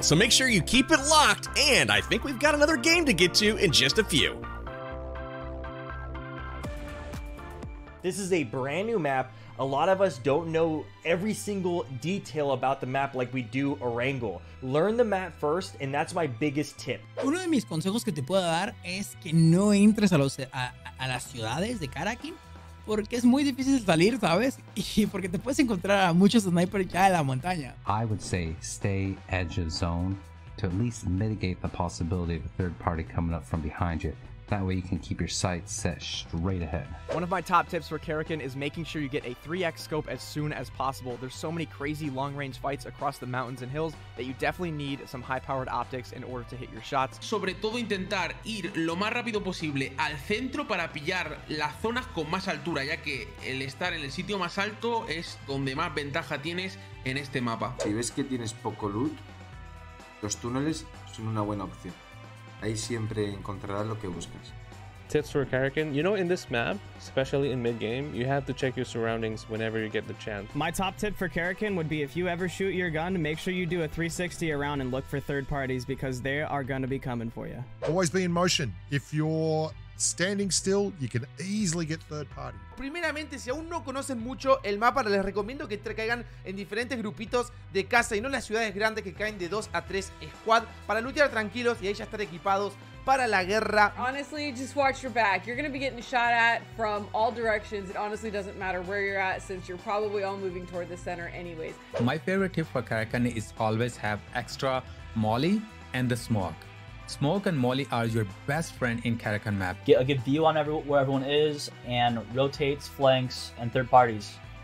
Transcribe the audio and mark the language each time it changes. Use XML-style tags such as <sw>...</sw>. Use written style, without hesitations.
<en>So make sure you keep it locked, and I think we've got another game to get to in just a few. This is a brand new map. A lot of us don't know every single detail about the map like we do Orangle. Learn the map first, and that's my biggest tip.</en> <es>Uno de mis consejos que te puedo dar es que no entres a las ciudades de Karakin, porque es muy difícil salir, ¿sabes? Y porque te puedes encontrar a muchos snipers ya en la montaña.</es> <en>I would say stay edge of zone to at least mitigate the possibility of a third party coming up from behind you. That way you can keep your sights set straight ahead. One of my top tips for Karakin is making sure you get a 3x scope as soon as possible. There's so many crazy long-range fights across the mountains and hills that you definitely need some high-powered optics in order to hit your shots.</en> <es>Sobre todo intentar ir lo más rápido posible al centro para pillar las zonas con más altura, ya que el estar en el sitio más alto es donde más ventaja tienes en este mapa. Si ves que tienes poco loot, los túneles son una buena opción. Ahí siempre encontrarás lo que buscas.</es> <en>Tips for Karakin. You know, in this map, especially in mid-game, you have to check your surroundings whenever you get the chance. My top tip for Karakin would be if you ever shoot your gun, make sure you do a 360 around and look for third parties because they are going to be coming for you. Always be in motion. If you're standing still, you can easily get third party.</en> <es>Primeramente, si aún no conocen mucho el mapa, les recomiendo que caigan en diferentes grupitos de caza y no en las ciudades grandes que caen de 2 a 3 squad para lootear tranquilos y ahí ya estar equipados para la guerra.</es> <en>Honestly, just watch your back. You're gonna be getting shot at from all directions. It honestly doesn't matter where you're at since you're probably all moving toward the center anyways. My favorite tip for Karakin is always have extra Molly and the smoke. Smoke and Molly are your best friend in Karakin map. Get a good view on where everyone is and rotates, flanks, and third parties.</en>